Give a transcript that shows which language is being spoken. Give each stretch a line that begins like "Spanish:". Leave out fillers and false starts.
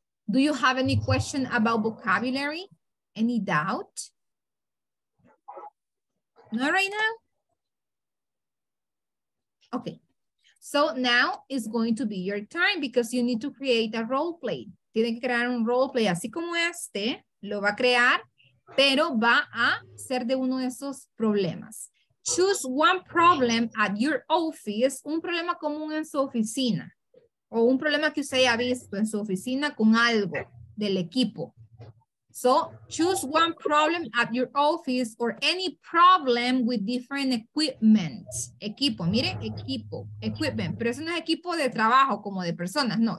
English: Do you have any question about vocabulary? Any doubt? Not right now? Okay, so now is going to be your time because you need to create a role play.
Spanish: Tiene que crear un role play así como este, lo va a crear, pero va a ser de uno de esos problemas.
English: Choose one problem at your office,
Spanish: un problema común en su oficina, o un problema que usted haya visto en su oficina con algo del equipo.
English: So, choose one problem at your office or any problem with different equipment.
Spanish: Equipo, mire, equipo, equipment. Pero eso no es equipo de trabajo como de personas, no.